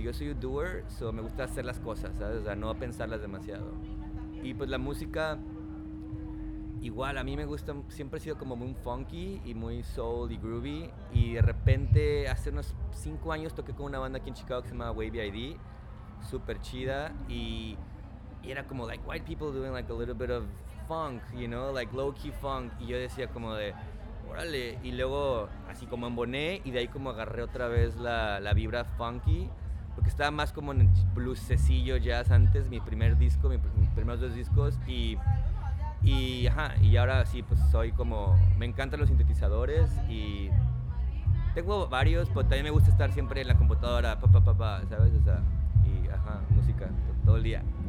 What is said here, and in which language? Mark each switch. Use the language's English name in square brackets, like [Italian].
[Spanish] Yo soy un doer, so me gusta hacer las cosas, ¿sabes? O sea, no pensarlas demasiado. Y pues la música... Igual, a mí me gusta, siempre he sido como muy funky y muy soul y groovy. Y de repente, hace unos 5 años toqué con una banda aquí en Chicago que se llama Wavy ID. Súper chida. Y era como, [English] like, white people doing, like, a little bit of funk, you know? Like, low-key funk. [Spanish] Y yo decía como de, órale. Y luego, así como emboné y de ahí como agarré otra vez la vibra funky. Porque estaba más como en el bluesecillo jazz antes, mi primer disco, mis primeros dos discos. Y ahora sí, pues soy como, me encantan los sintetizadores y tengo varios, pero también me gusta estar siempre en la computadora, ¿sabes? O sea, y música, todo el día.